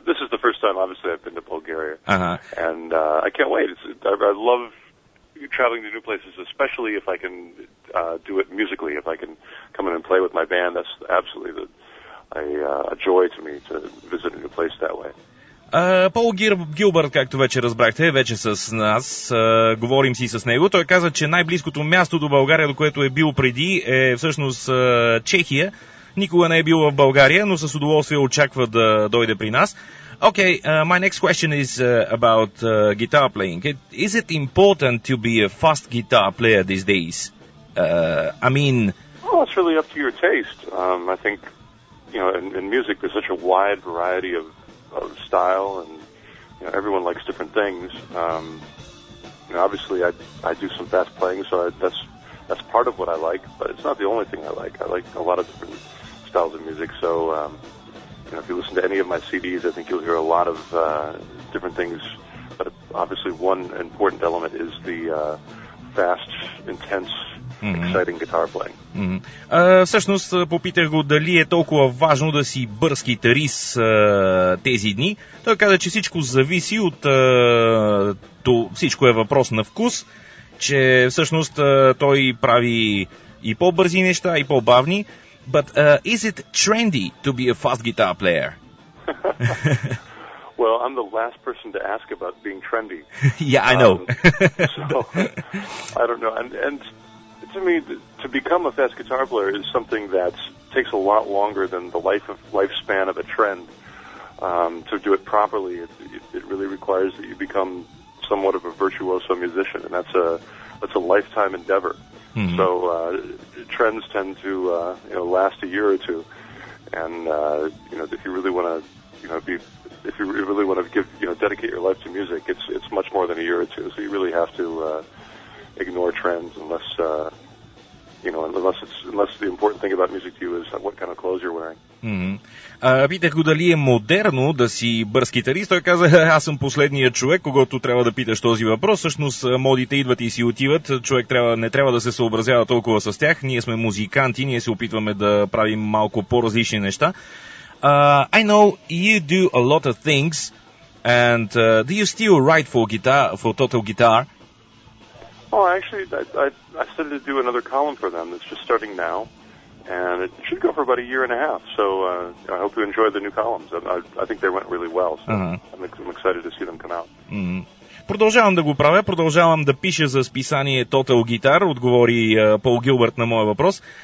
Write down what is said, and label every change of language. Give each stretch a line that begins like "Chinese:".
English: This is the first time, obviously, I've been to Bulgaria, uh-huh. And I can't wait. I love traveling to new places, especially if I can do it musically, if I can come in and play with my band. That's absolutely the a joy to me to visit a new place that way.
Bulgarian: Пол Гилбърт, както вече разбрахте, вече с нас, говорим си с него. Той каза, че най-близкото място до България, до което е бил преди, е всъщност Чехия. Никога не е бил в България, но с удоволствие очаква да дойде при нас.
English: Okay, my next question is about guitar playing. Is it important to be a fast guitar player these days? Well, it's really up to your taste. I think, you know, in music there's such a wide variety of style, and you know, everyone likes different things. Obviously, I do some fast playing, so that's part of what I like, but it's not the only thing I like. I like a lot of different styles of music, so you know, if you listen to any of my CDs, I think you'll hear a lot of different things, but obviously one important element is the fast, intense, exciting guitar playing. Mm-hmm.
Bulgarian: Всъщност попитах го дали е толкова важно да си бърз гитарист тези дни. Той каза, че всичко зависи от то, всичко е въпрос на вкус, че всъщност той прави и по-бързи неща, и по-бавни.
English: But is it trendy to be a fast guitar player? Well, I'm the last person to ask about being trendy. Yeah, I know. So, I don't know. And to me, to become a fast guitar player is something that takes a lot longer than the lifespan of a trend. To do it properly, it really requires that you become somewhat of a virtuoso musician, and that's a lifetime endeavor. Mm-hmm. So trends tend to last a year or two, and if you really want to, if you really want to give, dedicate your life to music, it's much more than a year or two. So you really have to ignore trends unless the important thing about music to you is what kind of clothes you're wearing. Mm-hmm.
Bulgarian: Питах го дали е модерно да си бърз китарист. Той каза, аз съм последният човек, когато трябва да питаш този въпрос. Всъщност модите идват и си отиват. Човек не трябва да се съобразява толкова с тях. Ние сме музиканти, ние се опитваме да правим малко по-различни неща.
English: I know you do a lot of things, and do you still write for Total Guitar? Oh, actually, I started to do another column for them that's just starting now, and it should go for about a year and a half, so I hope you enjoy the new columns. I think they went really well, so uh-huh. I'm excited to see them come out. Mm-hmm.
Bulgarian: Продължавам да го правя, продължавам да пиша за списание Total Guitar, отговори Пол Гилбърт на моя въпрос.